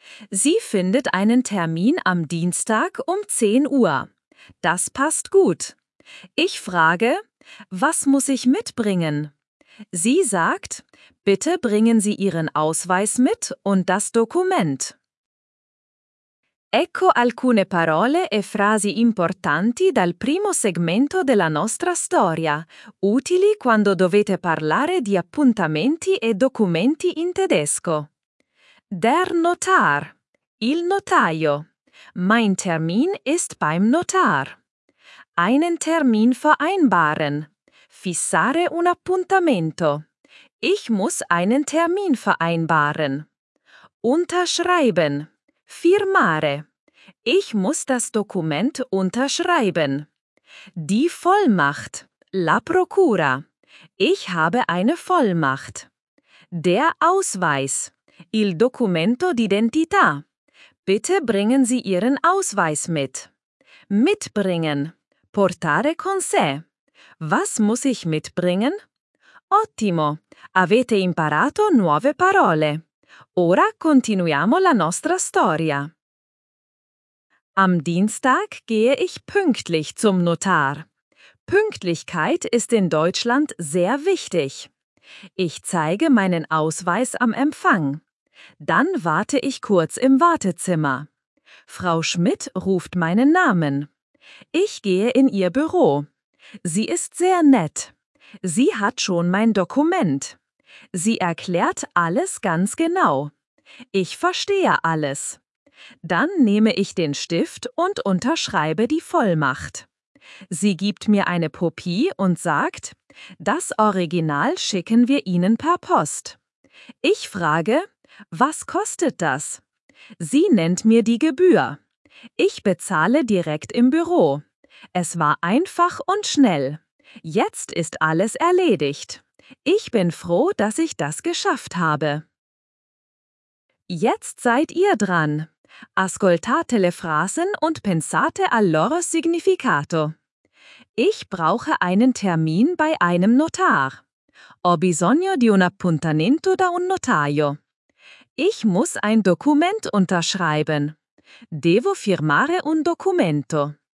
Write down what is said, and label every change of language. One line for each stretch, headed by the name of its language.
German: Sie findet einen Termin am Dienstag um 10 Uhr. Das passt gut. Ich frage: Was muss ich mitbringen? Sie sagt: Bitte bringen Sie Ihren Ausweis mit und das Dokument.
Italian: Ecco alcune parole e frasi importanti dal primo segmento della nostra storia, utili quando dovete parlare di appuntamenti e documenti in tedesco.
German: Der Notar.
Italian: Il notaio.
German: Mein Termin ist beim Notar. Einen Termin vereinbaren.
Italian: Fissare un appuntamento.
German: Ich muss einen Termin vereinbaren. Unterschreiben.
Italian: Firmare.
German: Ich muss das Dokument unterschreiben. Die Vollmacht.
Italian: La Procura.
German: Ich habe eine Vollmacht. Der Ausweis.
Italian: Il documento d'identità.
German: Bitte bringen Sie Ihren Ausweis mit. Mitbringen.
Italian: Portare con sé.
German: Was muss ich mitbringen?
Italian: Ottimo. Avete imparato nuove parole. Ora continuiamo la nostra storia.
German: Am Dienstag gehe ich pünktlich zum Notar. Pünktlichkeit ist in Deutschland sehr wichtig. Ich zeige meinen Ausweis am Empfang. Dann warte ich kurz im Wartezimmer. Frau Schmidt ruft meinen Namen. Ich gehe in ihr Büro. Sie ist sehr nett. Sie hat schon mein Dokument. Sie erklärt alles ganz genau. Ich verstehe alles. Dann nehme ich den Stift und unterschreibe die Vollmacht. Sie gibt mir eine Kopie und sagt: Das Original schicken wir Ihnen per Post. Ich frage: Was kostet das? Sie nennt mir die Gebühr. Ich bezahle direkt im Büro. Es war einfach und schnell. Jetzt ist alles erledigt. Ich bin froh, dass ich das geschafft habe. Jetzt seid ihr dran.
Italian: Ascoltate le
German: Phrasen und
Italian: pensate al loro significato.
German: Ich brauche einen Termin bei einem Notar.
Italian: Ho bisogno di un appuntamento da un notaio.
German: Ich muss ein Dokument unterschreiben.
Italian: Devo firmare un documento.